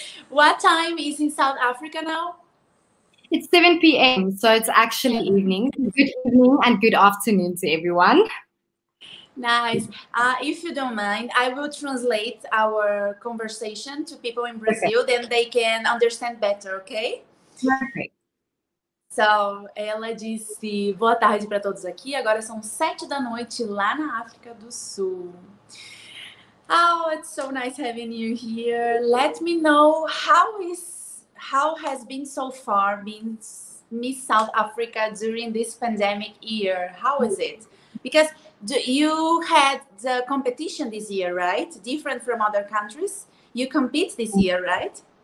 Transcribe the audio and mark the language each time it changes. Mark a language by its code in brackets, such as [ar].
[en] What time is in South Africa now? It's 7 p.m. So it's actually evening. Good evening and good afternoon to everyone. Nice. If you don't mind, I will translate our conversation to people in Brazil. Okay. Then they can understand better, okay? Perfect. [pt] So, ela disse, boa tarde para todos aqui. Agora são 7 da noite lá na África do Sul. [en] Oh, it's so nice having you here. Let me know how has been so far been Miss South Africa during this pandemic year. How is it? Because you had the competition this year, right? Different from other countries. You compete this year, right?